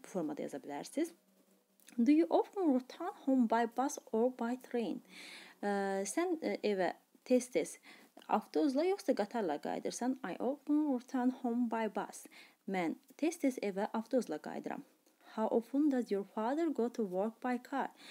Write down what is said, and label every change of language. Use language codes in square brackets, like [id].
[az] Bu formada yaza bilərsiniz. [en] Do you often return home by bus or by train? [az] Sən evə tez-tez avtobusla yoxsa qatarla qayıdırsan? [en] I often return home by bus. [az] Mən tez-tez evə avtobusla qayıdıram. [en] How often does your father go to work by car?